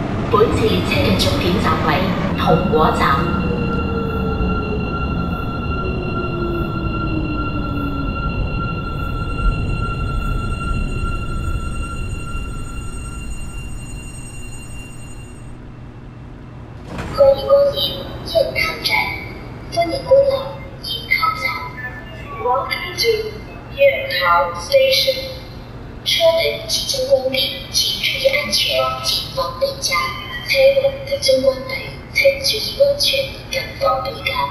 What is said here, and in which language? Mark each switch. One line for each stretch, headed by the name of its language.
Chinese: 本次列车的终点站为同和站。本次列车的终点站为同和站。欢迎光临雁塘站，欢迎光临雁塘站。
English: Welcome to 雁塘 Station.
Chinese: 车门即将关闭，请注意安全，谨防被夹。车门即将关闭，请注意安全，谨防被夹。